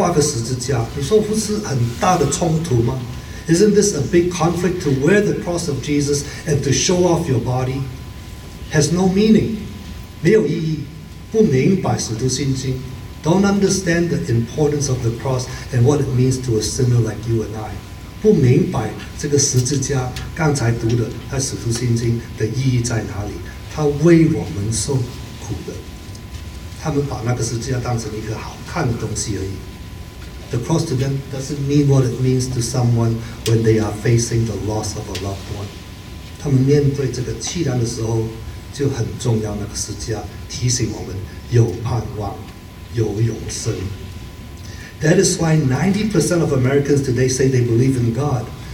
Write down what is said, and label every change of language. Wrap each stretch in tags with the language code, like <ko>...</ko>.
<zh>很多时候我们看见很多人穿得很少很少的衣服，肉都全部要给人家看，还挂个十字架，你说不是很大的冲突吗？</zh> <en>Isn't this a big conflict to wear the cross of Jesus and to show off your body? Has no meaning,</en> <zh>没有意义, 不明白使徒信心。</zh> <en>Don't understand the importance of the cross and what it means to a sinner like you and I.</en> <zh>不明白这个十字架刚才读的在使徒信经的意义在哪里。他为我们受苦的。他们把那个十字架当成一个好看的东西而已。</zh> <en>The cross to them doesn't mean what it means to someone when they are facing the loss of a loved one.</en> <zh>他们面对这个凄凉的时候就很重要那个十字架提醒我们有盼望。有永生。</zh> <en>That is why 90% of Americans today say they believe in God.</en>